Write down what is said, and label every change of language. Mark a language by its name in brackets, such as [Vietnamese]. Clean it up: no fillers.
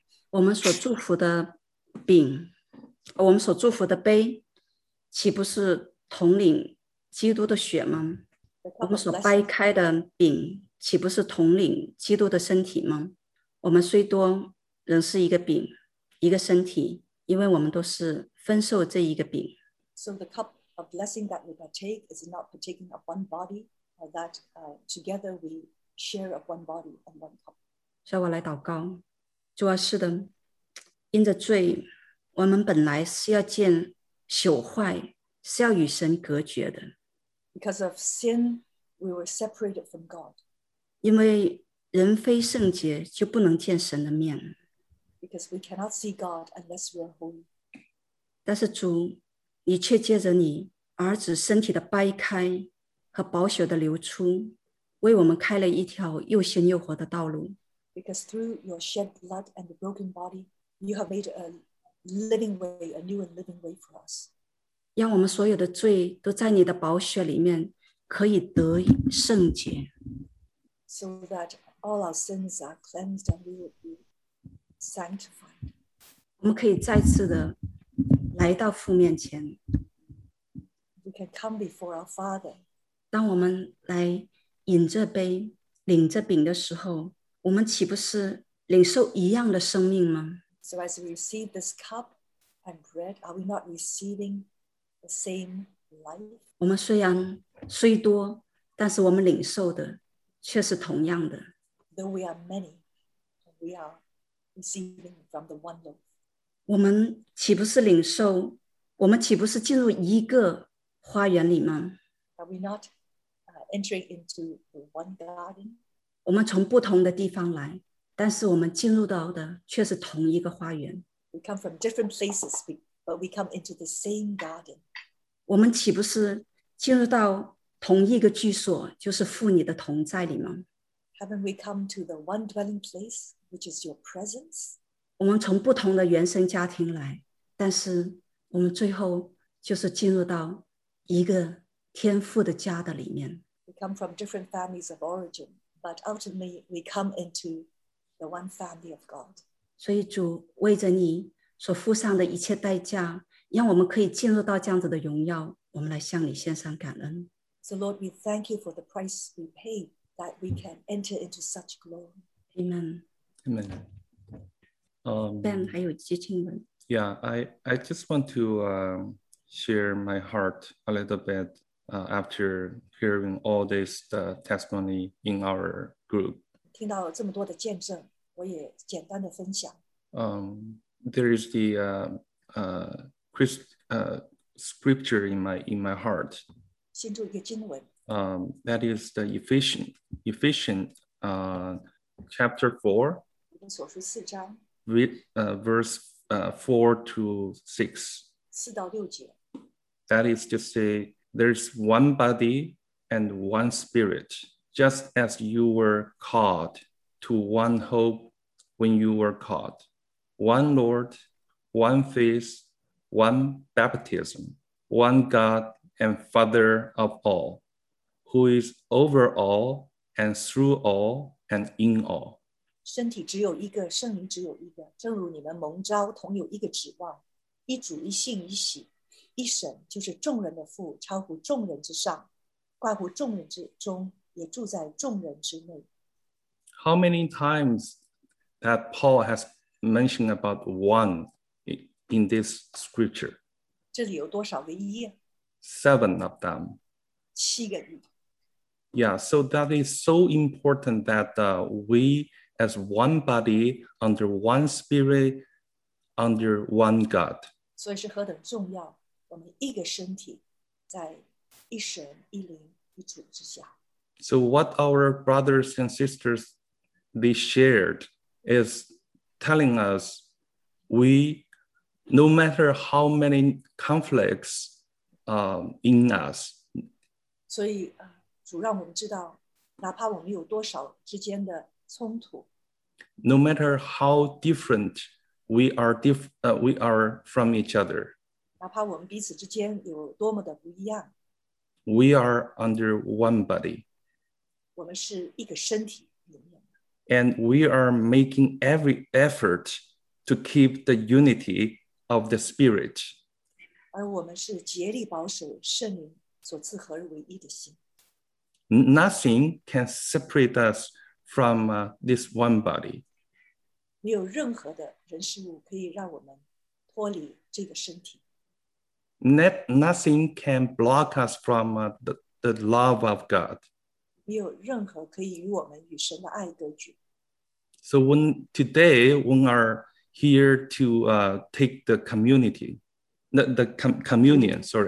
[Chinese] 我们所祝福的饼，我们所祝福的杯，岂不是统领基督的血吗？我们所掰开的饼，岂不是统领基督的身体吗？我们虽多，仍是一个饼，一个身体，因为我们都是分受这一个饼。 [English] So the cup of blessing that we partake is not partaking of one body, but that together we share of one body and one cup. [Chinese] 所以我来祷告，主啊，是的，因着罪，我们本来是要见朽坏，是要与神隔绝的。 [English] Because of sin, we were separated from God. [Chinese] 因为人非圣洁，就不能见神的面。 [English] Because we cannot see God unless we are holy. [Chinese] 但是主，你却借着你儿子身体的掰开和宝血的流出，为我们开了一条又新又活的道路。 [English] Because through your shed blood and the broken body, you have made a living way, a new and living way for us. [Chinese] 让我们所有的罪都在你的宝血里面可以得圣洁。 [English] So that all our sins are cleansed and we will be sanctified. [Chinese] 我们可以再次的来到父面前。 [English] We can come before our Father. [Chinese] 当我们来饮这杯、领这饼的时候，我们岂不是领受一样的生命吗？ [English] So as we receive this cup and bread, are we not receiving the same life? [Chinese] 我们虽然虽多，但是我们领受的却是同样的。 [English] Though we are many, we are receiving from the one loaf. [Chinese] 我们岂不是领受？我们岂不是进入一个花园里吗？ [English] Are we not entering into the one garden? [Chinese] 我们从不同的地方来，但是我们进入到的却是同一个花园。 [English] We come from different places, but we come into the same garden. [Chinese] 我们岂不是进入到同一个居所，就是父你的同在里吗？ [English] Haven't we come to the one dwelling place, which is your presence? [Chinese] 我们从不同的原生家庭来，但是我们最后就是进入到一个天父的家的里面。 [English] We come from different families of origin, but ultimately we come into the one family of God. [Chinese] 所以主，为着你所付上的一切代价，让我们可以进入到这样子的荣耀，我们来向你献上感恩。 [English] So Lord, we thank you for the price we pay that we can enter into such glory. Amen. Amen. [Chinese] Ben, 还有接听人。 [English] Yeah, I just want to share my heart a little bit after hearing all this testimony in our group. [Chinese] 听到这么多的见证，我也简单的分享。 [English] There is the scripture in my heart. [Chinese] 先读一个经文。 [English] That is the Ephesians chapter 4. [Chinese] 以弗所书四章。 [English] Verse 4-6. [Chinese] 四到六节。 [English] That is to say, there is one body and one spirit, just as you were called to one hope when you were called. One Lord, one faith, one baptism, one God and Father of all, who is over all and through all and in all. [Chinese] 身体只有一个，圣灵只有一个，正如你们蒙召同有一个指望，一主，一信，一喜。一神就是众人的父，超乎众人之上，挂乎众人之中，也住在众人之内。 [English] How many times that Paul has mentioned about one in this scripture? [Chinese] 这里有多少个一？ [English] Seven of them. [Chinese] 七个一。 [English] Yeah, so that is so important that we as one body under one spirit, under one God. [Chinese] 所以是何等重要。我们一个身体在一神一灵一主之下。 [English] So what our brothers and sisters they shared is telling us we, no matter how many conflicts in us. [Chinese] 所以主让我们知道，哪怕我们有多少之间的冲突， [English] no matter how different we are, we are from each other. [Chinese] 哪怕我们彼此之间有多么的不一样， [English] We are under one body. [Chinese] 我们是一个身体里面。 [English] And we are making every effort to keep the unity of the Spirit. [Chinese] 而我们是竭力保守圣灵所赐合而为一的心。 [English] Nothing can separate us from this one body. [Chinese] 没有任何的人事物可以让我们脱离这个身体。 [English] Nothing can block us from the love of God. [Chinese] 没有任何可以与我们与神的爱隔绝。 [English] So when we are here to take the community, the communion.